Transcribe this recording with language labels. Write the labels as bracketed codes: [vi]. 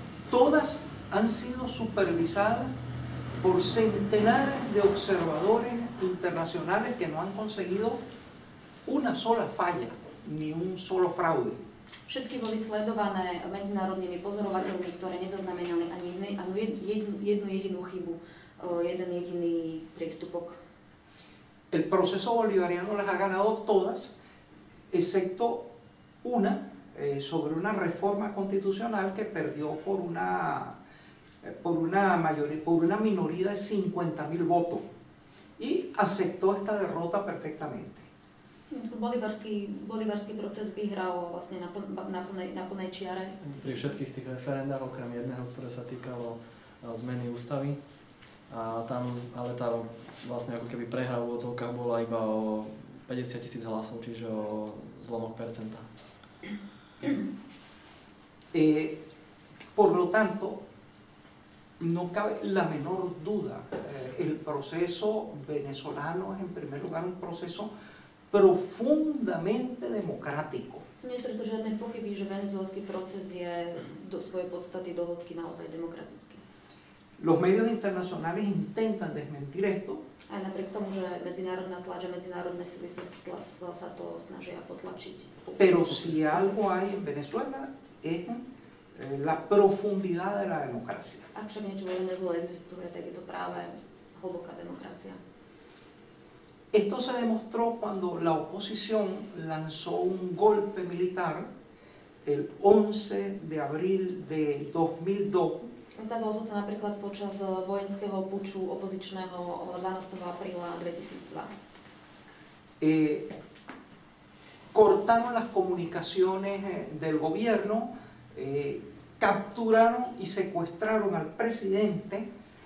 [es] Todas han sido supervisadas por centenares de observadores internacionales que no han conseguido una sola falla, ni un solo fraude. [sk] Všetky boli sledované medzinárodnými pozorovateľmi, ktoré nezaznamenali ani jednu jedinú chybu, jeden jediný prístupok. [es] El proceso bolivariano las ha ganado todas, excepto una, sobre una reforma constitucional que perdió por una minoría de 50.000 votos y aceptó esta derrota perfectamente. [sk] Bolivarský proces vyhral vlastne na plnej čiare. Pri všetkých tých referendách, okrem jedného, ktoré sa týkalo zmeny ústavy, a tam, ale tá vlastne ako keby prehra v odzovkách bola iba o 50 000 hlasov, čiže o zlomok percenta. [es] Por lo tanto, no cabe la menor duda, el proceso venezolano es en primer lugar un proceso profundamente democrático. [sk] Nie preto žiadne pochyby, že venezuelský proces je do svojej podstaty do hĺbky naozaj demokratický. [es] Los medios internacionales intentan desmentir esto. [sk] A napriek tomu, že medzinárodná tlač a medzinárodné sily sa to snažia potlačiť. [es] Pero si algo hay en Venezuela es la profundidad de la democracia. [sk] Ak však niečo vo Venezuele existuje, tak je to práve hlboká demokracia. [es] Esto se demostró cuando la oposición lanzó un golpe militar el 11 de abril de 2002. [sk] Ukázalo sa to napríklad počas vojenského puču opozičného 12. apríla 2002. [es] Cortaron las comunicaciones del gobierno, capturaron y secuestraron al presidente.